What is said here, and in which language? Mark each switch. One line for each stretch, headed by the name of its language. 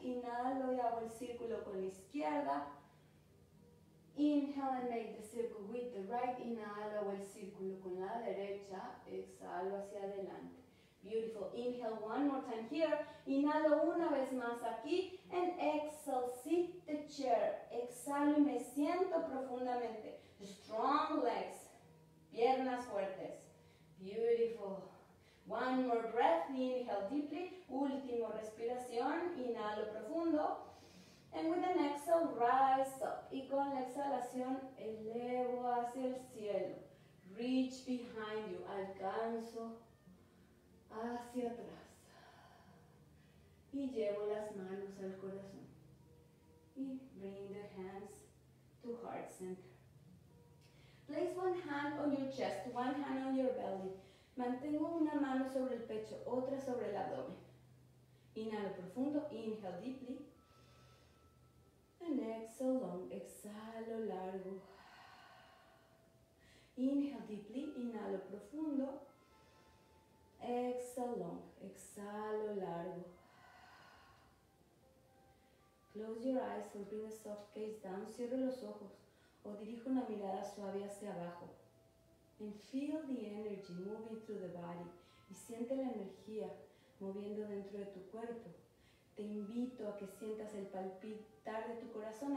Spanish: Inhalo y hago el círculo con la izquierda.
English: Inhale and make the circle with the right.
Spanish: Inhalo, hago el círculo con la derecha. Exhalo hacia adelante. Beautiful.
English: Inhale one more time here.
Spanish: Inhalo una vez más aquí.
English: And exhale, sit the chair.
Spanish: Exhalo y me siento profundamente.
English: Strong legs.
Spanish: Piernas fuertes.
English: Beautiful. One more breath. Inhale deeply.
Spanish: Último respiración. Inhalo profundo.
English: And with an exhale, rise up.
Spanish: Y con la exhalación, elevo hacia el cielo.
English: Reach behind you.
Spanish: Alcanzo hacia atrás. Y llevo las manos al corazón. Y
English: bring the hands to heart center. Place one hand on your chest, one hand on your belly.
Spanish: Mantengo una mano sobre el pecho, otra sobre el abdomen. Inhalo profundo,
English: inhale deeply. And exhale long,
Spanish: exhalo largo.
English: Inhale deeply,
Spanish: inhalo profundo.
English: Exhale long,
Spanish: exhalo largo.
English: Close your eyes and bring a soft gaze down.
Spanish: Cierro los ojos o dirijo una mirada suave hacia abajo.
English: And feel the energy moving through the body.
Spanish: Y siente la energía moviendo dentro de tu cuerpo. Te invito a que sientas el palpitar de tu corazón.